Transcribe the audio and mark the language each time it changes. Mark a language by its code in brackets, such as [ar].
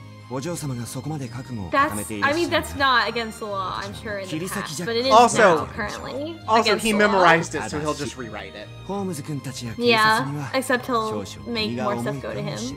[ja] お嬢様がそこまで覚悟を固めていらっしゃる。 [en] That's not against the law, I'm sure in the past, but it is now currently against the law. Also, he memorized it, so he'll just rewrite it. [ja] ホームズ君たちや警察には少々身が重いかもしれません。